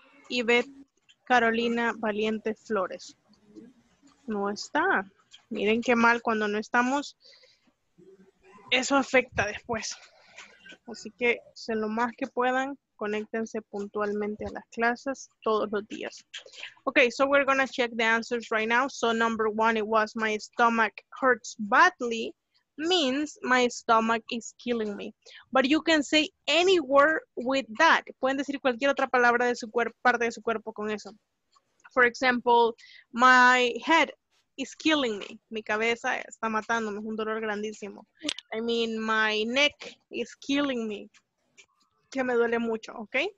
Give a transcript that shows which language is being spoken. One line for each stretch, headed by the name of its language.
Spanish: Yvette Carolina Valiente Flores. No está. Miren qué mal cuando no estamos. Eso afecta después. Así que, sea lo más que puedan, conéctense puntualmente a las clases todos los días.
English: Okay, so we're gonna check the answers right now. So number one, it was my stomach hurts badly, means my stomach is killing me. But you can say any word with that.
Spanish: Pueden decir cualquier otra palabra de su cuerpo, parte de su cuerpo con eso.
English: For example, my head is killing me.
Spanish: Mi cabeza está matándome, es un dolor grandísimo.
English: I mean, my neck is killing me.
Spanish: Que me duele mucho,
English: okay?